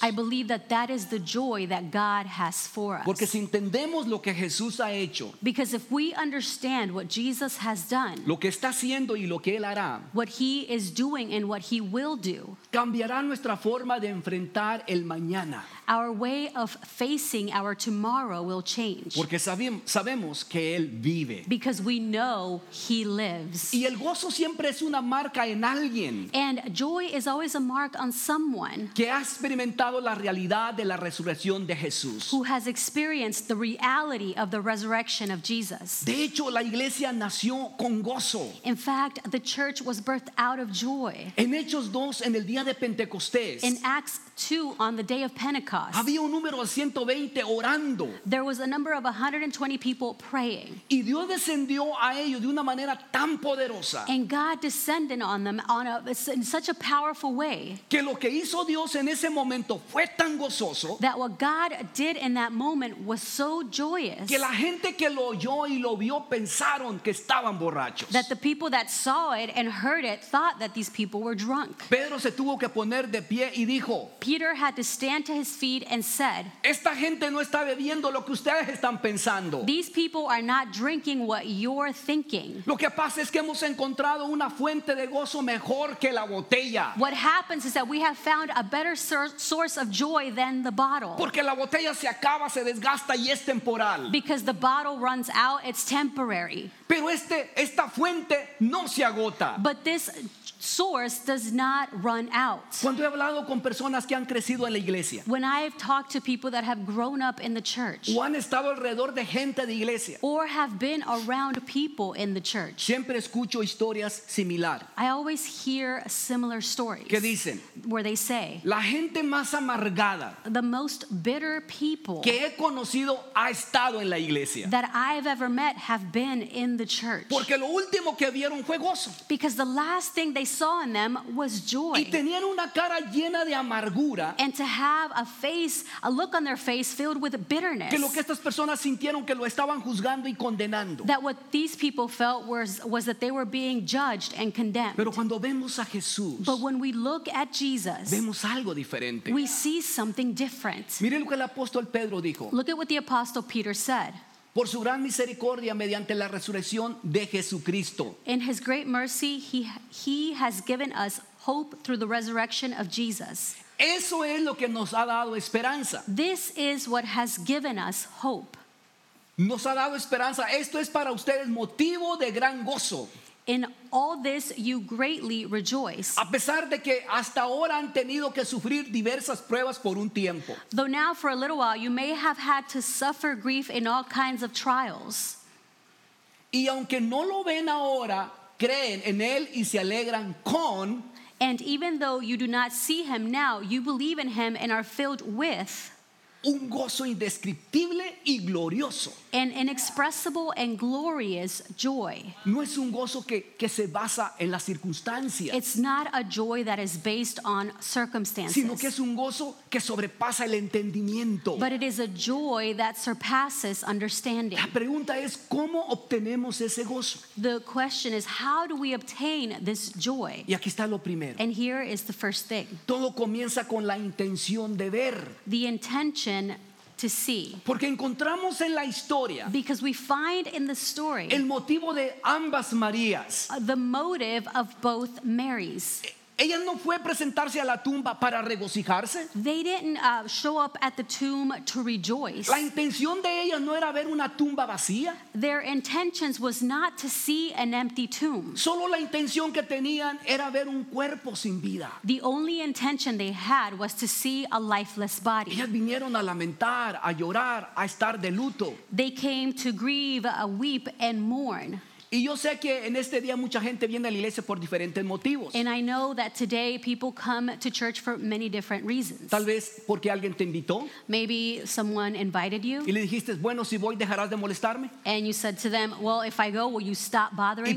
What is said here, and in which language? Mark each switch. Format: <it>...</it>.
<en>I believe that that is the joy that God has for us.</en> <es>Porque si entendemos lo que Jesús ha hecho,</es> <en>because if we understand what Jesus has done,</en> <es>lo que está haciendo y lo que él hará,</es> <en>what he is doing and what he will do,</en> <es>cambiará nuestra forma de enfrentar el mañana.</es> <en>Our way of facing our tomorrow will change.</en> <es>Porque sabemos que él vive.</es> <en>Because we know he lives.</en> <es>Y el gozo siempre es una marca en alguien.</es> <en>And joy is always a mark on someone.</en> <es>Que ha experimentado la realidad de la resurrección de Jesús.</es> <en>Who has experienced the reality of the resurrection of Jesus.</en> <es>De hecho, la iglesia nació con gozo.</es> <en>In fact, the church was birthed out of joy.</en> <es>En Hechos 2, en el día de Pentecostés.</es> <en>In Acts 2, on the day of Pentecost.</en> <es>Había un número de 120 orando.</es> <en>There was a number of 120 people praying.</en> <es>Y Dios descendió a ellos de una manera tan poderosa.</es> <en>And God descended on them on a, in such a powerful way.</en> <es>Que lo que hizo Dios en ese momento fue tan gozoso.</es> <en>That what God did in that moment was so joyous.</en> <es>Que la gente que lo oyó y lo vio pensaron que estaban borrachos.</es> <en>That the people that saw it and heard it thought that these people were drunk.</en> <es>Pedro se tuvo que poner de pie y dijo.</es> <en>Peter had to stand to his feet and said,</en> <es>esta gente no está bebiendo lo que ustedes están pensando.</es> <en>These people are not drinking what you're thinking.</en> <es>Lo que pasa es que hemos encontrado una fuente de gozo mejor que la botella.</es> <en>What happens is that we have found a better source of joy than the bottle.</en> <es>Porque la botella se acaba, se desgasta y es temporal.</es> <en>Because the bottle runs out, it's temporary.</en> <es>Pero esta fuente no se agota.</es> <en>But this source does not run out.</en> <es>Cuando he hablado con personas que han crecido en la iglesia,</es> <en>when I've talked to people that have grown up in the church,</en> <es>o han estado alrededor de gente de iglesia,</es> <en>or have been around people in the church,</en> <es>siempre escucho historias similar.</es> <en>I always hear similar stories.</en> <es>¿Qué dicen?</es> <en>Where they say,</en> <es>la gente más amargada,</es> <en>the most bitter people,</en> <es>que he conocido ha estado en la iglesia,</es> <en>that I've ever met have been in the church.</en> <es>Porque lo último que vieron fue gozo.</es> <en>Because the last thing they saw in them was joy.</en> <es>Y tenían una cara llena de amargura.</es> <en>And to have a face, a look on their face filled with bitterness.</en> <es>Que lo que estas personas sintieron que lo estaban juzgando y condenando.</es> <en>That what these people felt was that they were being judged and condemned.</en> <es>Pero cuando vemos a Jesús,</es> <en>but when we look at Jesus,</en> <es>vemos algo diferente.</es> <en>We see something different.</en> <es>Mire lo que el apóstol Pedro dijo.</es> <en>Look at what the apostle Peter said.</en> <es>Por su gran misericordia mediante la resurrección de Jesucristo.</es> <en>In his great mercy, he has given us hope through the resurrection of Jesus.</en> <es>Eso es lo que nos ha dado esperanza.</es> <en>This is what has given us hope.</en> <es>Nos ha dado esperanza. Esto es para ustedes motivo de gran gozo.</es> <en>In all this, you greatly rejoice.</en> <es>A pesar de que hasta ahora han tenido que sufrir diversas pruebas por un tiempo.</es> <en>Though now, for a little while, you may have had to suffer grief in all kinds of trials.</en> <es>Y aunque no lo ven ahora, creen en él y se alegran con.</es> <en>And even though you do not see him now, you believe in him and are filled with.</en> <es>Un gozo indescriptible y glorioso.</es> <en>An inexpressible and glorious joy.</en> <es>No es un gozo que se basa en las circunstancias.</es> <en>It's not a joy that is based on circumstances.</en> <es>Sino que es un gozo que sobrepasa el entendimiento.</es> <en>But it is a joy that surpasses understanding.</en> <es>La pregunta es, ¿cómo obtenemos ese gozo?</es> <en>The question is, how do we obtain this joy?</en> <es>Y aquí está lo primero.</es> <en>And here is the first thing.</en> <es>Todo comienza con la intención de ver.</es> <en>The intention to see.</en> <es>Porque encontramos en la historia,</es> <en>because we find in the story,</en> <es>el motivo de ambas Marías,</es> <en>the motive of both Marys.</en> <es>Ella no fue presentarse a la tumba para regocijarse.</es> <en>They didn't show up at the tomb to rejoice.</en> <es>La intención de ella no era ver una tumba vacía.</es> <en>Their intentions was not to see an empty tomb.</en> <es>Solo la intención que tenían era ver un cuerpo sin vida.</es> <en>The only intention they had was to see a lifeless body.</en> <es>Ellas vinieron a lamentar, a llorar, a estar de luto.</es> <en>They came to grieve, weep, and mourn.</en> <es>Y yo sé que en este día mucha gente viene a la iglesia por diferentes motivos.</es> <en>And I know that today people come to church for many different reasons.</en> <es>Tal vez porque alguien te invitó.</es> <en>Maybe someone invited you.</en> <es>Y le dijiste, bueno, si voy, dejarás de molestarme.</es> <en>And you said to them, well, if I go, will you stop bothering me?</en>